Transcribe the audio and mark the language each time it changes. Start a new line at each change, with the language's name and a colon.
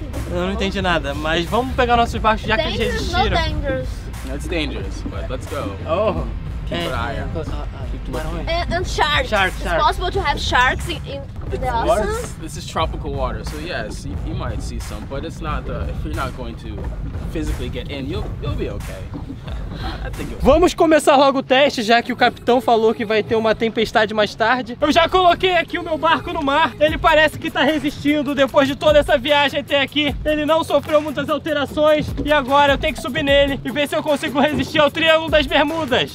Portuguese: Eu não entendi nada, mas vamos pegar nossos barcos já que eles resistiram.
English: Dangerous, not dangerous. It's dangerous, but let's go. Oh, keep an eye out. And sharks. Shark. It's possible to have sharks in the ocean? This is tropical water, so yes, you might see some, but it's not the, if you're not going to physically get in, you'll be okay.
Portuguese: Vamos começar logo o teste, já que o capitão falou que vai ter uma tempestade mais tarde. Eu já coloquei aqui o meu barco no mar. Ele parece que está resistindo depois de toda essa viagem até aqui. Ele não sofreu muitas alterações. E agora eu tenho que subir nele e ver se eu consigo resistir ao Triângulo das Bermudas.